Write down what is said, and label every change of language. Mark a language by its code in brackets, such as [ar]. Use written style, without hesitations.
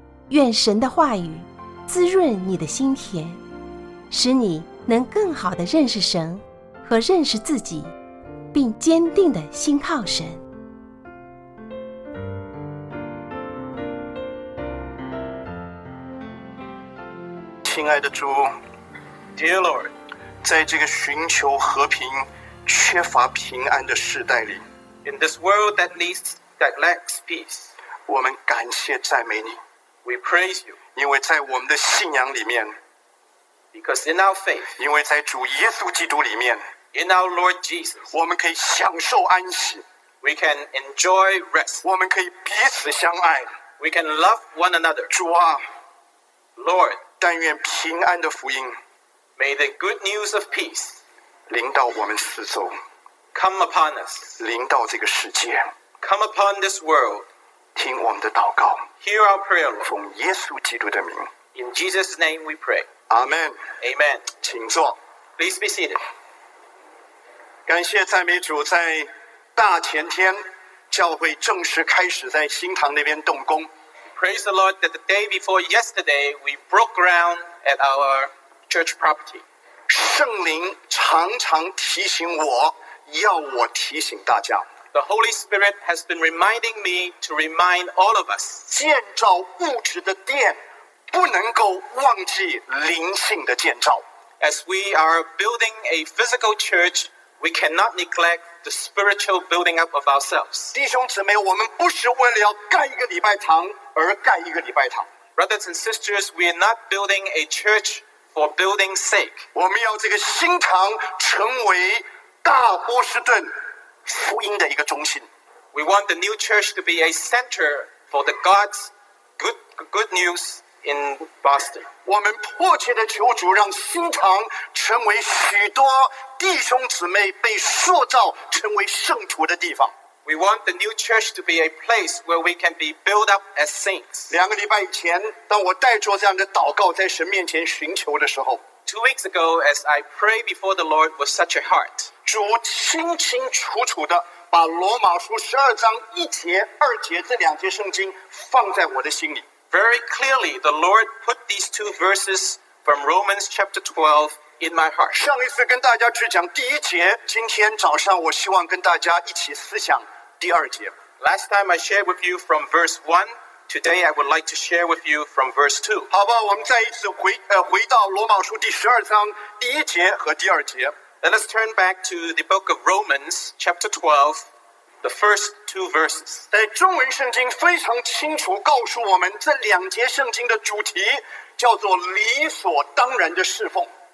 [zh] 愿神的话语滋润你的心田，使你能更好地认识神和认识自己，并坚定地信靠神。亲爱的主 [en] Dear Lord， [zh] 在这个寻求和平缺乏平安的时代里， [en] In this world that lacks peace， [zh] 我们感谢赞美你。 [en] We praise you， [zh] 因为在我们的信仰里面， [en] Because in our faith， [zh] 因为在主耶稣基督里面， [en] In our Lord Jesus， [zh] 我们可以享受安息。 [en] We can enjoy rest， [zh] 我们可以彼此相爱。 [en] We can love one another。 [zh] 主啊， [en] Lord， [zh] 但愿平安的福音， [en] May the good news of peace， [zh] 临到我们四周， [en] Come upon us， [zh] 临到这个世界， [en] Come upon this world， [zh] 听我们的祷告。 [en] Hear our prayer, Lord. [zh] 奉耶稣基督的名。 [en] In Jesus' name we pray. Amen. Amen. [zh] 请坐。 [en] Please be seated. [zh] 感谢赞美主，在大前天，教会正式开始在新堂那边动工。 [en] Praise the Lord that the day before yesterday, we broke ground at our church property. [zh] 圣灵常常提醒我，要我提醒大家。 [en] The Holy Spirit has been reminding me to remind all of us. [zh] 建造物质的殿，不能够忘记灵性的建造。 [en] As we are building a physical church, we cannot neglect the spiritual building up of ourselves. [zh] 弟兄姊妹，我们不是为了要盖一个礼拜堂而盖一个礼拜堂。 [en] Brothers and sisters, we are not building a church for building's sake. [zh] 我们要这个新堂成为大波士顿福音的一个中心。 [en] We want the new church to be a center for the God's good news in Boston. [zh] 我们迫切地求主让新堂成为许多弟兄姊妹被塑造成为圣徒的地方。 [en] We want the new church to be a place where we can be built up as saints. [zh] 两个礼拜以前，当我带着这样的祷告在神面前寻求的时候， [en] 2 weeks ago, as I pray before the Lord with such a heart. [zh] 主清清楚楚地把罗马书十二章一节二节这两节圣经放在我的心里。 [en] Very clearly, the Lord put these two verses from Romans chapter 12 in my heart. [zh] 上一次跟大家只讲第一节，今天早上我希望跟大家一起思想第二节。 [en] Last time I shared with you from verse 1, today I would like to share with you from verse 2. [zh] 好吧，我们再一次回到罗马书第十二章第一节和第二节。 [en] Let us turn back to the book of Romans, chapter 12, the first two verses. [zh] 在中文圣经非常清楚告诉我们，这两节圣经的主题叫做理所当然的侍奉。